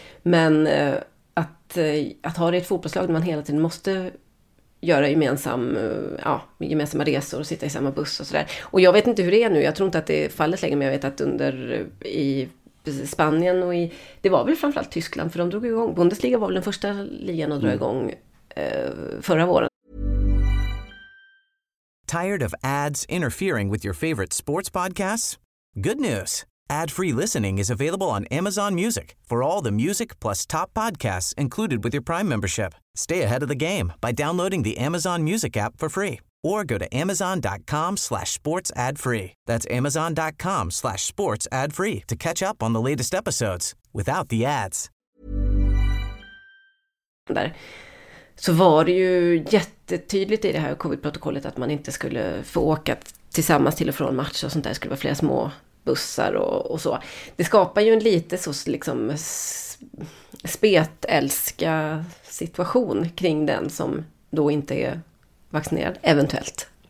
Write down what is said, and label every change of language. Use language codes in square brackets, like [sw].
[sv] Men att ha det i ett fotbollslag där man hela tiden måste göra gemensamma resor och sitta i samma buss och sådär. Och jag vet inte hur det är nu, jag tror inte att det är fallet längre, men jag vet att under i Spanien och det var väl framförallt Tyskland, för de drog igång. Bundesliga var väl den första ligan att dra igång förra våren. [en] Tired of ads interfering with your favorite sports podcasts? Good news! Ad-free listening is available on Amazon Music for all the music plus top podcasts included with your Prime membership. Stay ahead of the game by downloading the Amazon Music app for free or go to amazon.com/sportsadfree. That's amazon.com/sportsadfree to catch up on the latest episodes without the ads. [sv] Där. Så var det ju jättetydligt i det här covid-protokollet att man inte skulle få åka tillsammans till och från match och sånt där. Det skulle vara flera små bussar och så. Det skapar ju en lite så liksom spetälska situation kring den som då inte är vaccinerad, eventuellt.